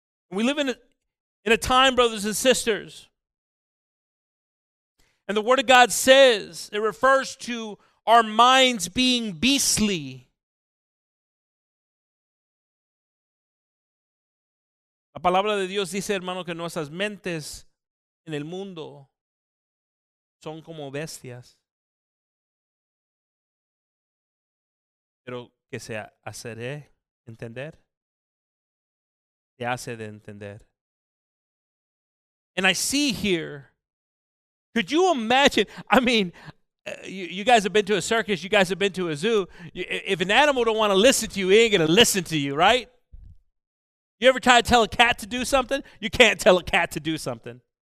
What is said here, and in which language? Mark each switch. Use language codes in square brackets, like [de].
[en] We live in a time, brothers and sisters, and the Word of God says, it refers to our minds being beastly. [es] La palabra de Dios dice, hermano, que nuestras mentes en el mundo son como bestias, pero que se hacerá entender, se hace de entender. [en] And I see here, could you imagine? I mean, you guys have been to a circus. You guys have been to a zoo. If an animal don't want to listen to you, it ain't going to listen to you, right? You ever try to tell a cat to do something? You can't tell a cat to do something.